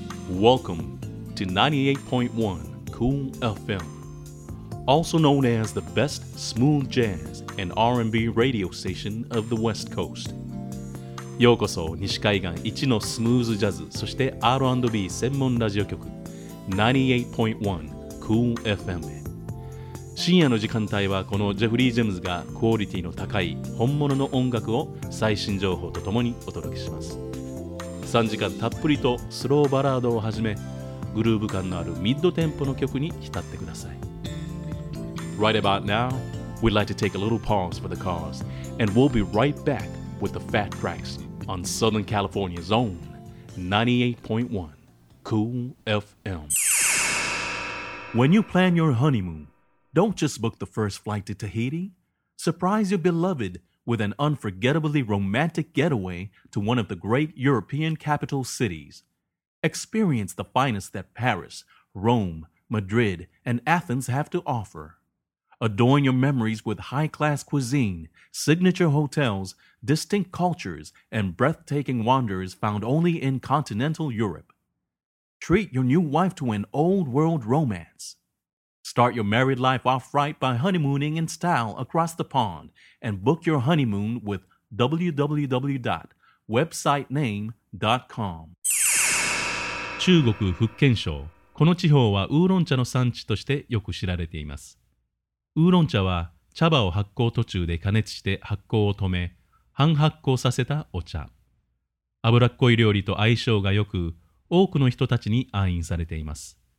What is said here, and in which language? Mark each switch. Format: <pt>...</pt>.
<en>Welcome to 98.1 Kool FM, also known as the best smooth jazz and R&B radio station of the West Coast.</en> <ja>ようこそ西海岸一のスムーズジャズ、そして R&B 専門ラジオ局 98.1 Kool FM へ。深夜の時間帯はこのジェフリー・ジェムズがクオリティの高い本物の音楽を最新情報とともにお届けします。 3時間たっぷりとスローバラードをはじめ、グルーヴ感のあるミッドテンポの曲に浸ってください。</ja> <en>Right about now, we'd like to take a little pause for the cause, and we'll be right back with the Fat Tracks on Southern California's own 98.1 Kool FM. When you plan your honeymoon, don't just book the first flight to Tahiti. Surprise your beloved with an unforgettably romantic getaway to one of the great European capital cities. Experience the finest that Paris, Rome, Madrid, and Athens have to offer. Adorn your memories with high-class cuisine, signature hotels, distinct cultures, and breathtaking wonders found only in continental Europe. Treat your new wife to an old-world romance. Start your married life off right by honeymooning in style across the pond, and book your honeymoon with www.websitename.com.</en> <ja>中国福建省、この地方はウーロン茶の産地としてよく知られています。ウーロン茶は茶葉を発酵途中で加熱して発酵を止め、半発酵させたお茶。脂っこい料理と相性がよく、多くの人たちに愛飲されています。</ja>